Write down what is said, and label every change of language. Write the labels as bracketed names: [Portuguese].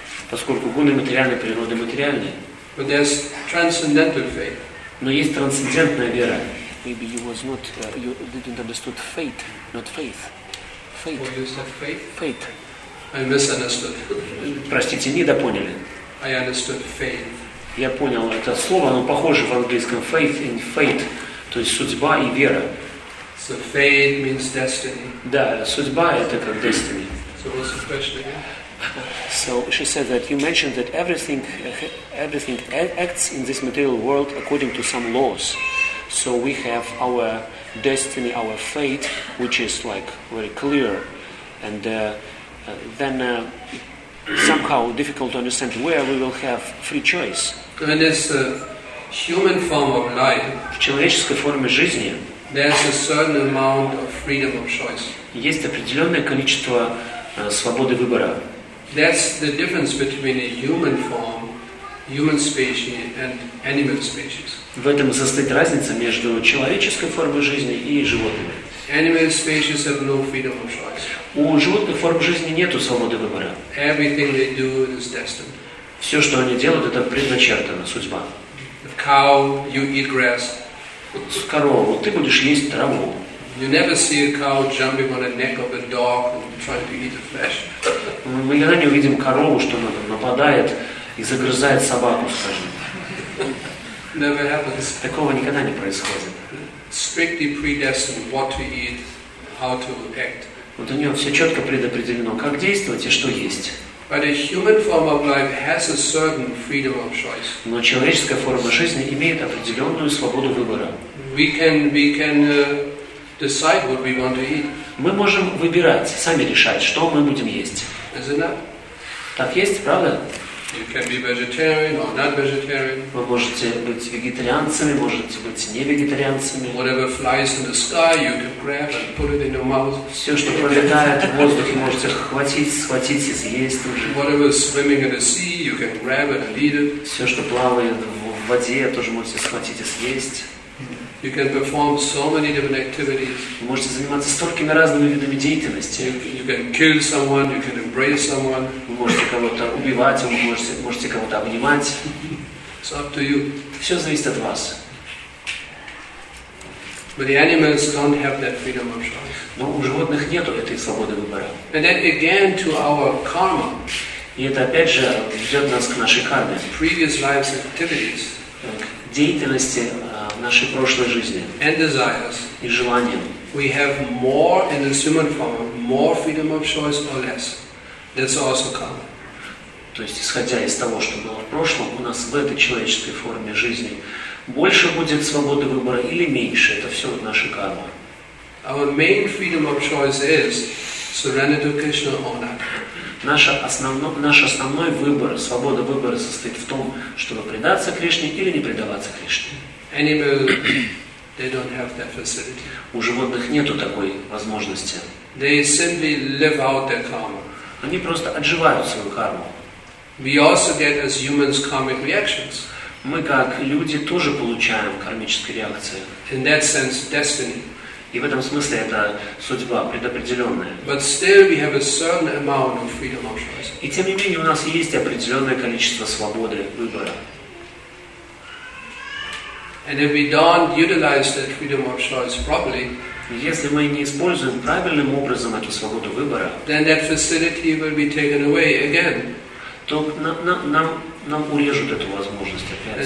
[Russian] Поскольку гуны материальной природы материальны. [English] But there's transcendental faith. [Russian] Но есть трансцендентная вера. [English] Maybe you was not, you didn't understood fate, not faith. Fate. What you said, faith? Fate. I misunderstood. [Russian] Простите, недопоняли. [English] I understood faith. [Russian] Я понял это слово, оно похоже в английском [English] faith and fate, [Russian] то есть судьба и вера. [English] So fate means destiny. [Russian] Да, судьба это как destiny. [English] So what's the question again? So she said that you mentioned that everything acts in this material world according to some laws. So we have our destiny, our fate, which is like very clear. And somehow difficult to understand where we will have free choice. And it's a human form of life. [Russian] В человеческой форме жизни. [English] There's a certain amount of freedom of choice. [Russian] Есть определенное количество свободы выбора. [English] That's the difference between a human form, human species, and animal species. [Russian] В этом состоит разница между человеческой формой жизни и животными. [English] Animal species have no freedom of choice. [Russian] У животных форм жизни нету свободы выбора. [English] Everything they do is destined. [Russian] Все, что они делают, это предначертано, судьба. [English] A cow, you eat grass. [Russian] Корову, ты будешь есть траву. [English] You never see a cow jumping on the neck of a dog and trying to eat the flesh. [Russian] Мы никогда не увидим корову, что она нападает и загрызает собаку, скажем. [English] Never happens. [Russian] Такого никогда не происходит. [English] Strictly predestined what to eat, how to act. [Russian] Вот у нее все четко предопределено, как действовать и что есть. [English] But a human form of life has a certain freedom of choice. [Russian] Но человеческая форма жизни имеет определенную свободу выбора. [English] We can decide what we want to eat. [Russian] Мы можем выбирать, сами решать, что мы будем есть. [English] Is it not? [Russian] Так есть, правда? [English] You can be vegetarian or not vegetarian. [Russian] Вы можете быть вегетарианцами, можете быть не вегетарианцами. [English] Whatever flies in the sky, you can grab and put it in your mouth. [Russian] Все, что пролетает в воздухе, можете схватить и съесть уже. [English] Whatever is swimming in the sea, you can grab it and eat it. [Russian] Все, что плавает в воде, тоже можете схватить и съесть. [English] You can perform so many different activities. [Russian] Вы можете заниматься столькими разными видами деятельности. [English] You can kill someone, you can embrace someone. [Russian] Вы можете кого-то убивать, вы можете кого-то обнимать. [English] It's up to you. [Russian] Все зависит от вас. [English] But the animals don't have that freedom of choice. [Russian] Но у животных нет этой свободы выбора. [English] And then again to our karma. [Russian] И это опять же ведет нас к нашей карме. [English] Previous life's activities. [Russian] Деятельности нашей прошлой жизни. [English] And desires. [Russian] И желаниям. [English] We have more in the human form, more freedom of choice or less. That's also common. [Russian] То есть, исходя из того, что было в прошлом, у нас в этой человеческой форме жизни больше будет свободы выбора или меньше. Это все наши кармы. [English] Our main freedom of choice is surrender to Krishna or not. [Russian] Наш основной выбор, свобода выбора состоит в том, чтобы предаться Кришне или не предаваться Кришне. [English] Animal, they don't have that facility. [Russian] У животных нету такой возможности. [English] They simply live out their karma. [Russian] Они просто отживают свою карму. [English] We also get as humans karmic reactions. [Russian] Мы как люди тоже получаем кармические реакции. [English] In that sense, destiny. [Russian] И в этом смысле это судьба предопределенная. [English] But still we have a certain amount of freedom of choice. [Russian] И тем не менее у нас есть определенное количество свободы выбора. [English] And if we don't utilize that freedom of choice properly, [Russian] если мы не используем правильным образом эту свободу выбора, [English] then that facility will be taken away again. [Russian] То нам урежут эту возможность опять.